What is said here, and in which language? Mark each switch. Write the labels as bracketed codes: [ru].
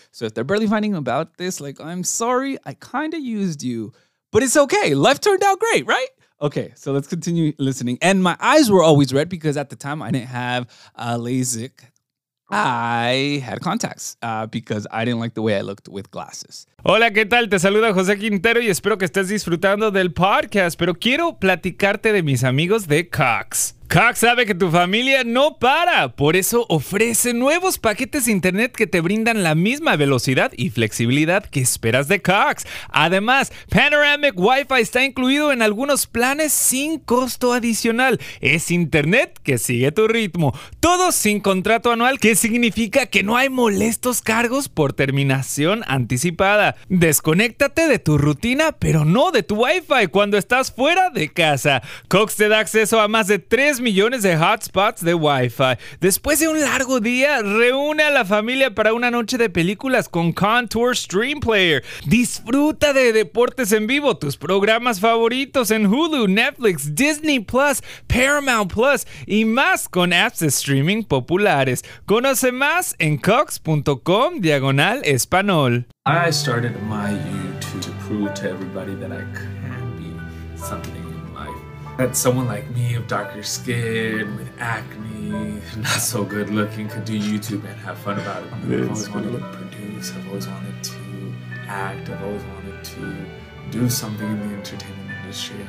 [en] So if they're barely finding about this, like, I'm sorry, I kind of used you, but it's okay. Life turned out great, right? Okay, so let's continue listening. And my eyes were always red because at the time I didn't have LASIK. I had contacts because I didn't like the way I looked with glasses. [es] Hola, ¿qué tal? Te saluda José Quintero y espero que estés disfrutando del podcast, pero quiero platicarte de mis amigos de Cox. Cox sabe que tu familia no para, por eso ofrece nuevos paquetes de internet que te brindan la misma velocidad y flexibilidad que esperas de Cox. Además, Panoramic Wi-Fi está incluido en algunos planes sin costo adicional. Es internet que sigue tu ritmo. Todo sin contrato anual, que significa que no hay molestos cargos por terminación anticipada. Desconéctate de tu rutina, pero no de tu Wi-Fi cuando estás fuera de casa. Cox te da acceso a más de 3 millones de hotspots de Wi-Fi. Después de un largo día, reúne a la familia para una noche de películas con Contour Stream Player. Disfruta de deportes en vivo, tus programas favoritos en Hulu, Netflix, Disney Plus, Paramount Plus y más con apps de streaming populares. Conoce más en cox.com/español. [en] I started my YouTube to prove to everybody that I can be something. That someone like me of darker skin, with acne, not so good looking, could do YouTube and have fun about it. I've always wanted to produce, I've always wanted to act, I've always wanted to do something in the entertainment industry.